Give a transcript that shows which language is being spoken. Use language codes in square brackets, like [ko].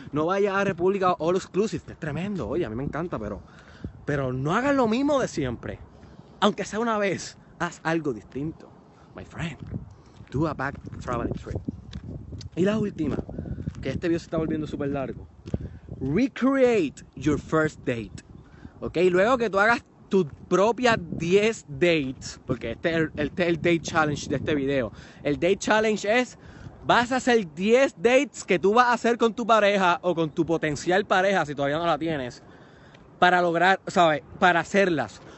[es] No vaya a República All Exclusive. Es tremendo. Oye, a mí me encanta, pero no hagas lo mismo de siempre. Aunque sea una vez, haz algo distinto. [en] My friend, do a back traveling trip. [es] Y la última, que este video se está volviendo súper largo. [en] Recreate your first date. [es] Ok, luego que tú hagas tus propias 10 dates, porque este es el date challenge de este video. El date challenge es, vas a hacer 10 dates que tú vas a hacer con tu pareja o con tu potencial pareja, si todavía no la tienes, para lograr, ¿sabes? Para hacerlas.